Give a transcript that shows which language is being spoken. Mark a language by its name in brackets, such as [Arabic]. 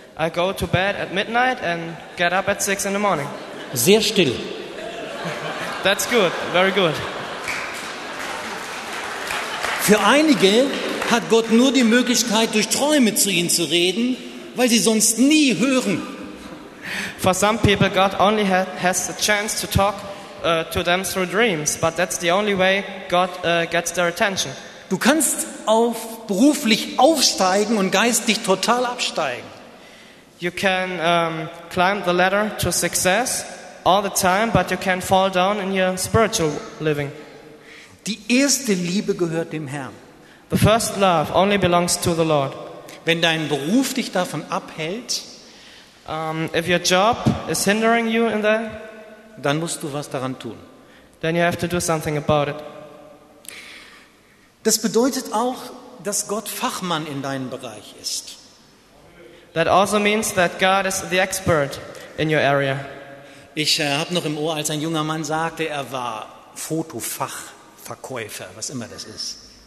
[English] I go to bed at midnight and get up at 6 in the morning. [German] Sehr still. [English] That's good, very good. [German] Für einige hat Gott nur die Möglichkeit, durch Träume zu ihnen zu reden, weil sie sonst nie hören. [English] For some people, God only has the chance to talk to them through dreams, but that's the only way God gets their attention. [German] Du kannst auf beruflich aufsteigen und geistig total absteigen. [English] You can climb the ladder to success all the time, but you can fall down in your spiritual living. [German] Die erste Liebe gehört dem Herrn. [English] The first love only belongs to the Lord. [German] Wenn dein Beruf dich davon abhält, [English] if your job is hindering you in that, [German] dann musst du was daran tun. [English] Then you have to do something about it. [German] Das bedeutet auch, dass Gott Fachmann in deinem Bereich ist. [English] That also means that God is the expert in your area. [German] Ich habe noch im Ohr, als ein junger Mann sagte, er war Fotofachverkäufer, was immer das ist.